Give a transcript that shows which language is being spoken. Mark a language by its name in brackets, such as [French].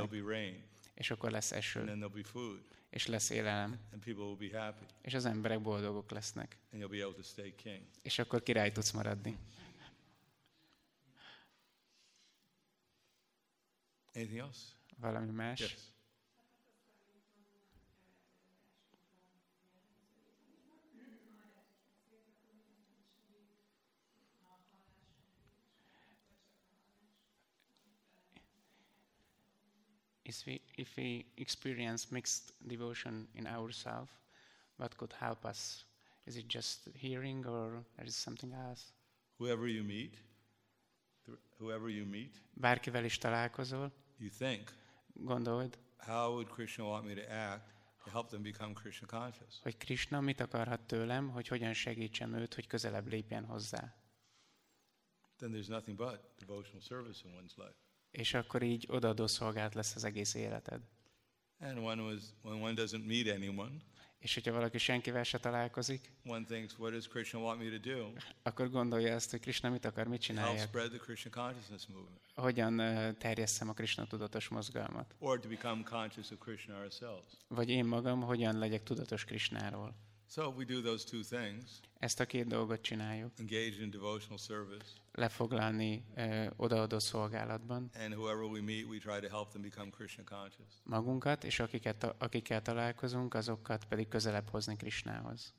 [English] And then there'll be rain. [Hungarian] És akkor lesz eső. [English] And then there'll be food. [Hungarian] És lesz élelem. [English] And people will be happy. [Hungarian] És az emberek boldogok lesznek. [English] And you'll be able to stay king. [Hungarian] És akkor király tudsz maradni. [English] Anything else? [Hungarian] Valami más? [English] Yes. If we experience mixed devotion in ourselves, what could help us? Is it just hearing, or there is something else? Whoever you meet, whoever you meet, [Hungarian] bárkivel is találkozol, [English] you think, [Hungarian] gondold, [English] how would Krishna want me to act to help them become Krishna conscious? [Hungarian] Hogy Krishna mit akarhat tőlem, hogy hogyan segítsem őt, hogy közelebb lépjen hozzá? [English] Then there's nothing but devotional service in one's life. [Hungarian] És akkor így odaadó szolgálat lesz az egész életed. [English] And one was, when one doesn't meet anyone, [Hungarian] és hogyha valaki senkivel se találkozik, [English] one thinks, what does Krishna want me to do? [Hungarian] Akkor gondolja azt, hogy Krishna mit akar, mit csinálja? [English] Help spread the Krishna consciousness movement. [Hungarian] Hogyan terjesszem a Krishna tudatos mozgalmat? [English] Or to become conscious of Krishna ourselves. [Hungarian] Vagy én magam hogyan legyek tudatos Krishnáról? [English] So we do those two things. [Hungarian] Ezt a két dolgot csináljuk. [English] Engage in devotional service. [Hungarian] Lefoglalni odaadó szolgálatban. [English] And whoever we meet, we try to help them become Krishna conscious. [Hungarian] Magunkat és akikkel találkozunk, azokat pedig közelebb hozni Krishnához.